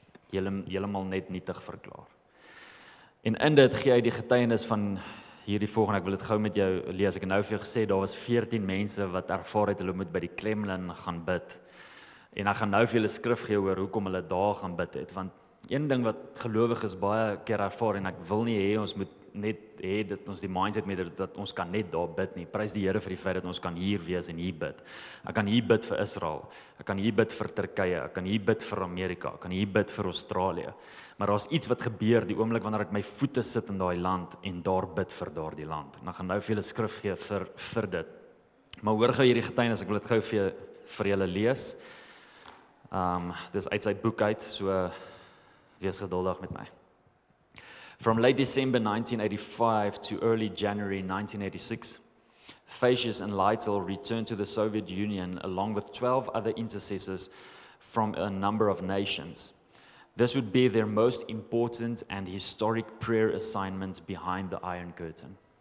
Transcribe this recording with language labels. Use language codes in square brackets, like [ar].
[af] helemaal net nietig verklaar. En in dit gee hy die getuienis van hierdie volgende, ek wil dit gou met jou lees, ek het nou vir jou gesê, daar was 14 mense wat ervaar het, hulle moet by die Kremlin gaan bid, en ek gaan nou vir julle skrif gee oor hoekom hulle daar gaan bid het, want een ding wat gelowig is baie keer ervaar, en ek wil nie hê ons moet net hê dat ons die mindset met dat ons kan net daar bid nie, prys die Here vir die feit dat ons kan hier wees en hier bid, ek kan hier bid vir Israel, ek kan hier bid vir Turkye, ek kan hier bid vir Amerika, ek kan hier bid vir Australië, maar daar is iets wat gebeur die oomblik wanneer ek my voete sit in daai land en daar bid vir daardie land, en ek gaan nou vir julle skrif gee vir dit, maar hoor gou hierdie getuienis, ek wil dit gou vir julle lees, dis uit sy boek uit, so wees geduldig met my. [en] From late December 1985 to early January 1986, Facius and Lytle returned to the Soviet Union along with 12 other intercessors from a number of nations. This would be their most important and historic prayer assignment behind the Iron Curtain.